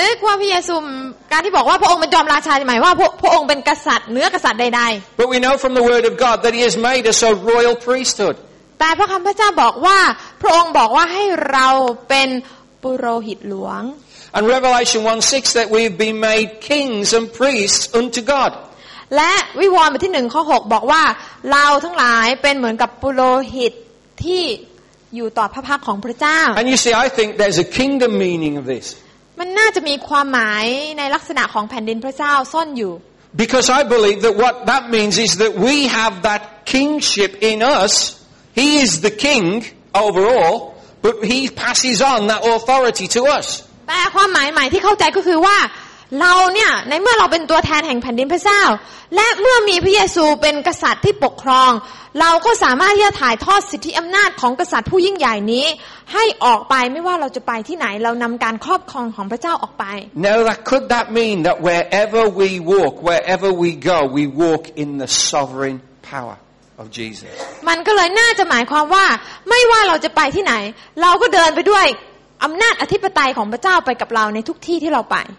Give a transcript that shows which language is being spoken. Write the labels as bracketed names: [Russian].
[Thai] นึกว่าพระเยซูการที่บอกว่าพระองค์เป็นจอมราชาใช่มั้ยว่าพระองค์เป็นกษัตริย์เนื้อกษัตริย์ใดๆ [English] But we know from the word of God that he has made us a royal priesthood. [Thai] แต่พระคําพระเจ้าบอกว่าพระองค์บอกว่าให้เราเป็นปุโรหิตหลวง [English] And Revelation 1:6 that we've been made kings and priests unto God. [Thai] และวิวรณ์บทที่1ข้อ6บอกว่าเราทั้งหลายเป็นเหมือนกับปุโรหิตที่อยู่ต่อพระพักของพระเจ้า [English] And you see I think there's a kingdom meaning of this [Thai] มันน่าจะมีความหมายในลักษณะของแผ่นดินพระเจ้าซ่อนอยู่ [English] Because I believe that what that means is that we have that kingship in us He is the king over all but he passes on that authority to us [Thai] แต่ความหมายใหม่ที่เข้าใจก็คือว่าเราเนี่ยในเมื่อเราเป็นตัวแทนแห่งแผ่นดินพระเจ้าและเมื่อมีพระเยซูเป็นกษัตริย์ที่ปกครองเราก็สามารถที่จะถ่ายทอดสิทธิอำนาจของกษัตริย์ผู้ยิ่งใหญ่นี้ให้ออกไปไม่ว่าเราจะไปที่ไหนเรานำการครอบครองของพระเจ้าออกไป [English] Now that could that mean that wherever we walk wherever we go we walk in the sovereign power of Jesus [Thai] มันก็เลยน่าจะหมายความว่าไม่ว่าเราจะไปที่ไหนเราก็เดินไปด้วยอำนาจอธิปไตยของพระเจ้าไปกับเราในทุกที่ที่เราไป